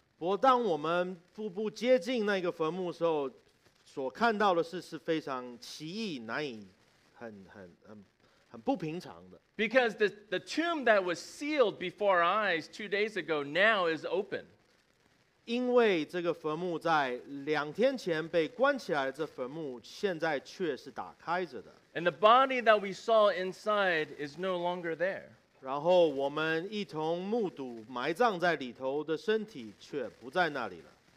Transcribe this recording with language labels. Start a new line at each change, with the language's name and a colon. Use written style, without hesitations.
Chinese: 不过当我们步步接近那个坟墓的时候，所看到的事是非常奇异，难以很不平常的。
English: Because the tomb that was sealed before our eyes 2 days ago now is open.
Chinese: 因为这个坟墓在两天前被关起来的这坟墓，现在却是打开着的。
English: And the body that we saw inside is no longer there.
Chinese: 然后我们一同目睹埋葬在里头的身体却不在那里了。